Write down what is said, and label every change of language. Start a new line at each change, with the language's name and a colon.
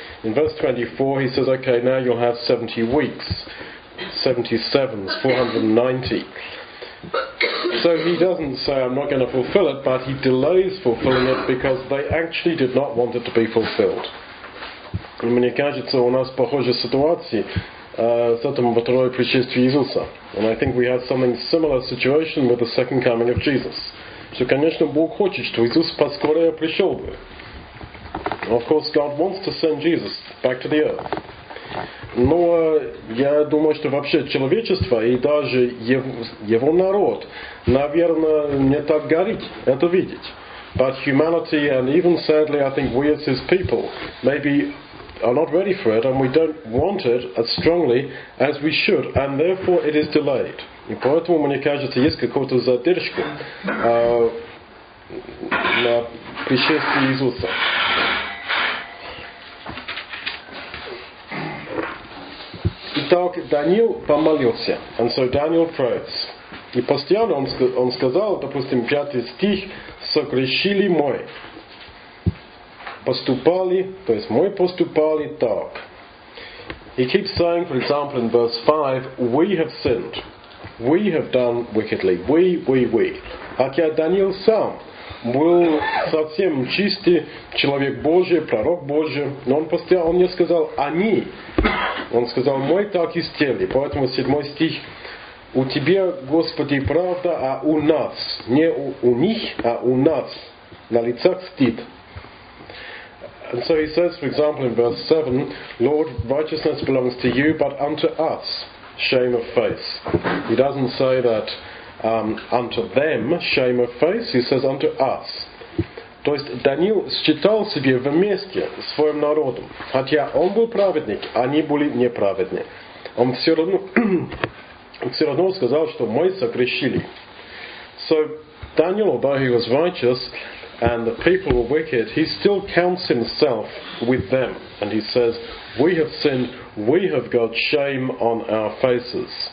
English: In verse 24 he says, okay, now you'll have 70 weeks, 77s, 490. So he doesn't say, I'm not going to fulfill it, but he delays fulfilling it because they actually did not want it to be fulfilled.
Russian: Мне кажется, у нас похожая ситуация с этим во второе пришествие Иисуса.
English: And I think we have something similar situation with the second coming of Jesus.
Russian: Что, конечно, Бог хочет, что Иисус поскорее пришел бы.
English: Of course, God wants to send Jesus back to the earth.
Russian: Но я думаю, что вообще человечество и даже его народ, наверное, не так горит это видеть.
English: But humanity and even sadly I think we as his people maybe are not ready for it and we don't want it as strongly as we should and therefore it is delayed.
Russian: И поэтому мне кажется, есть какая-то задержка на пришествие Иисуса. Итак, Даниил помолился.
English: And so Daniel prays.
Russian: И постоянно он сказал, допустим, 5 стих, согрешили мой. Поступали, то есть мой поступали так.
English: He keeps saying, for example, in verse 5, we have sinned. We have done wickedly. We.
Russian: Хотя Даниил сам был совсем чистый человек Божий, пророк Божий, но он постоянно, он не сказал «они». Он сказал, мой так и сделали. Поэтому 7 стих. У тебя, Господи, правда, а у нас. Не у них, а у нас. На лицах стыд.
English: And so he says, for example, in verse 7, Lord, righteousness belongs to you, but unto us, shame of face. He doesn't say that unto them, shame of face. He says unto us.
Russian: То есть Даниил считал себя вместе с своим народом. Хотя он был праведник, они были неправедны. Он все равно сказал, что мы согрешили.
English: So Daniel, although he was righteous and the people were wicked, he still counts himself with them. And he says, we have sinned, we have got shame on our faces.